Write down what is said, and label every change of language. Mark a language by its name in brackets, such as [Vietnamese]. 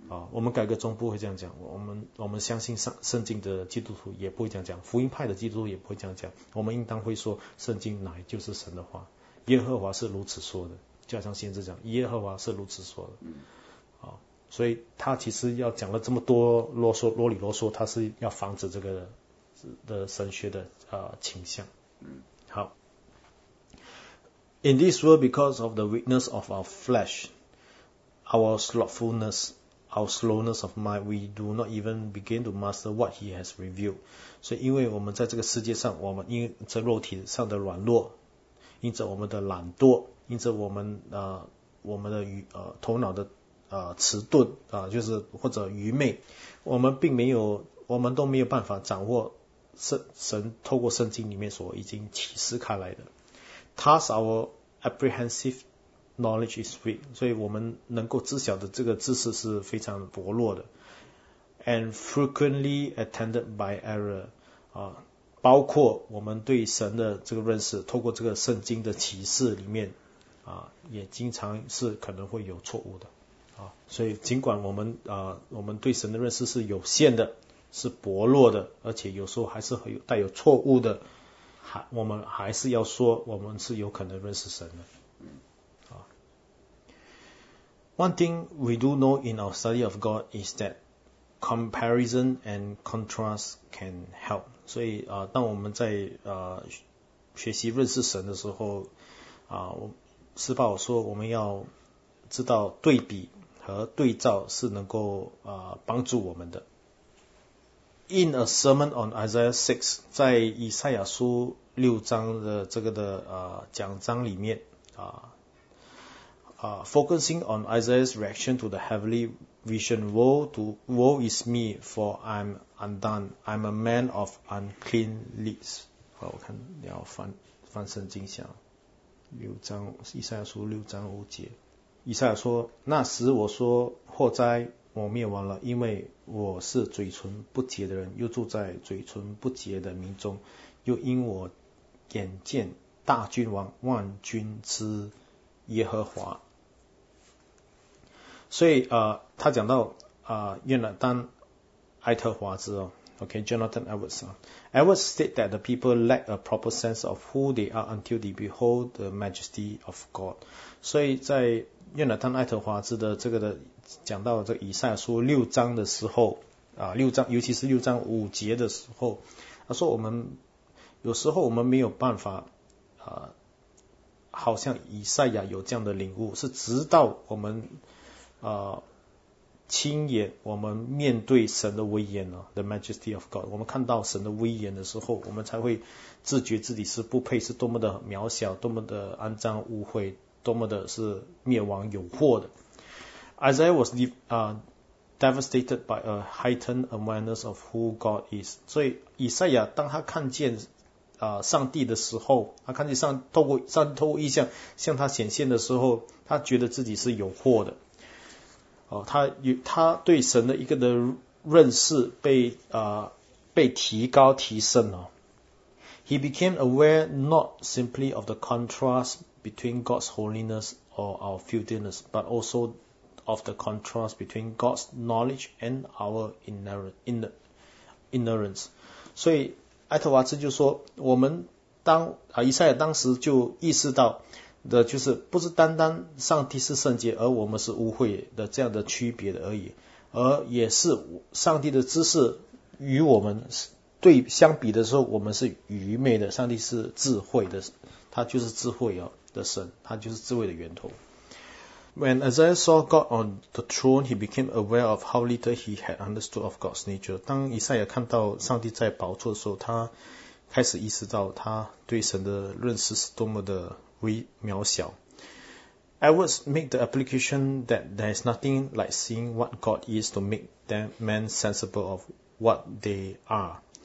[Chinese] 我们改革中不会这样讲，我们相信圣经的基督徒也不会这样讲，福音派的基督徒也不会这样讲，我们应当会说圣经乃就是神的话，耶和华是如此说的，就好像先知讲耶和华是如此说的。所以他其实要讲了这么多啰嗦啰里啰嗦，他是要防止这个的神学的倾向。好。 [English] In this world, because of the weakness of our flesh, our slothfulness, our slowness of mind, we do not even begin to master what he has revealed. [Chinese] 所以因为我们在这个世界上，我们因着肉体上的软弱，因着我们的懒惰，因着我们的头脑的迟钝就是或者愚昧，我们并没有，我们都没有办法掌握神透过圣经里面所已经启示开来的。 [English] Thus our apprehensive knowledge is weak， [Chinese] 所以我们能够知晓的这个知识是非常薄弱的。 [English] And frequently attended by error， [Chinese] 包括我们对神的这个认识，透过这个圣经的启示里面也经常是可能会有错误的。所以尽管我们对神的认识是有限的，是薄弱的，而且有时候还是带有错误的，我们还是要说我们是有可能认识神的。 [English] One thing we do know in our study of God is that comparison and contrast can help. [Chinese] 所以当我们在学习认识神的时候施暴说我们要知道对比和对照是能够帮助我们的。 [English] in a sermon on Isaiah 6, [Chinese] 在以赛亚书六章的这个的讲章里面 [English] focusing on Isaiah's reaction to the heavenly vision, woe is me, for I'm undone. I'm a man of unclean lips. [Chinese] 好，我看你要翻圣经下六章，以赛亚书六章五节，以赛亚说，那时我说祸灾，我灭亡了，因为我是嘴唇不洁的人，又住在嘴唇不洁的民中，又因我眼见大君王万军之耶和华。所以他讲到约拿丹埃特华兹Jonathan Edwards. [English] Edwards state that the people lack a proper sense of who they are until they behold the majesty of God. [Chinese] 所以在约拿丹埃特华兹的这个的讲到这以赛亚书六章的时候六章尤其是六章五节的时候，他说我们有时候我们没有办法好像以赛亚有这样的领悟，是直到我们亲眼我们面对神的威严 [English] The majesty of God， [Chinese] 我们看到神的威严的时候，我们才会自觉自己是不配，是多么的渺小，多么的肮脏污秽，多么的是灭亡有祸的。 [English] Isaiah was devastated by a heightened awareness of who God is， [Chinese] 所以以赛亚当他看见上帝的时候，他看见透过异象向他显现的时候，他觉得自己是有祸的。他对神的一个的认识被提高提升了。 [English] He became aware not simply of the contrast between God's holiness or our filthiness, but also of the contrast between God's knowledge and our ignorance. [Chinese] 所以埃特华兹就说，我们当以赛亚当时就意识到的就是不是单单上帝是圣洁而我们是污秽的这样的区别的而已，而也是上帝的知识与我们对相比的时候，我们是愚昧的，上帝是智慧的，他就是智慧的神，他就是智慧的源头。 [English] When Isaiah saw God on the throne, he became aware of how little he had understood of God's nature. [Chinese] 当以赛亚看到上帝在宝座的时候，他开始意识到他对神的认识是多么的渺小。 [English] Edwards make the application that there is nothing like seeing what God is to make them men sensible of what they are.